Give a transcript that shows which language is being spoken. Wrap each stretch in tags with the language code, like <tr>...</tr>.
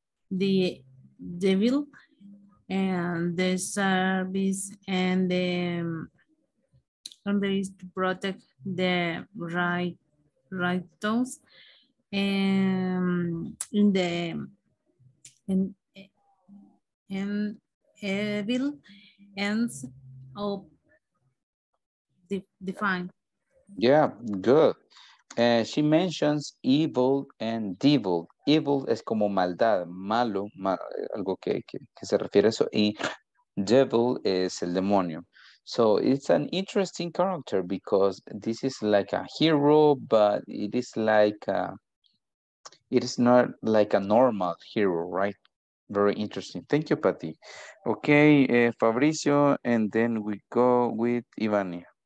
<en>the devil and the service and the there is to protect the right tones and evil ends of define. Yeah, good. She mentions evil and devil.</en> <es>Evil es como maldad, malo, algo que se refiere a eso. Y devil es el demonio.</es> <en>So it's an interesting character because this is like a hero, but it is like, it is not like a normal hero, right? Very interesting. Thank you, Patty. Okay, Fabricio, and then we go with Ivania.</en>